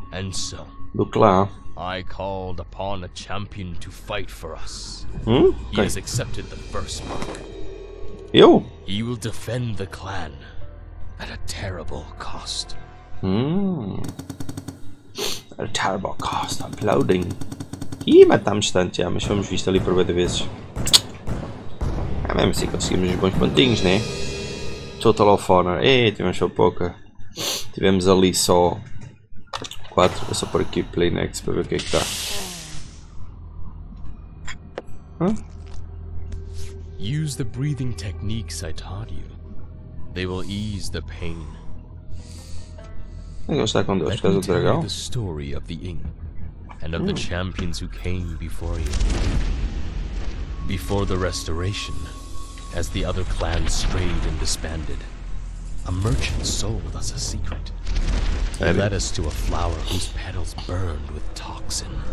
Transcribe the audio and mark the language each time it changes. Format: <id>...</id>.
<en>And so,</en> <pt>do clã.</pt> <en>I called upon a champion to fight for us. Hmm? He okay. Has accepted the first mark.</en> <pt>Eu?</pt> <en>He will defend the clan at a terrible cost. A terrible cost, uploading.</en> <pt>Ih, matámos tanto já, mas fomos vistos ali por várias vezes. É mesmo assim, conseguimos os bons pontinhos, né? Total of Honor, ei, tivemos só pouca. Tivemos ali só 4, vou só pôr aqui Play Next para ver o que é que está.</pt> <en>Use the breathing techniques I taught you. They will ease the pain.</en> <pt>Eu gosto de quando eu escrevo o dragão.</pt> <en>The story of the ink and of the champions who came before you. Before the restoration, as the other clans strayed and disbanded, a merchant sold us a secret. He led us to a flower whose petals burned with toxin.</en>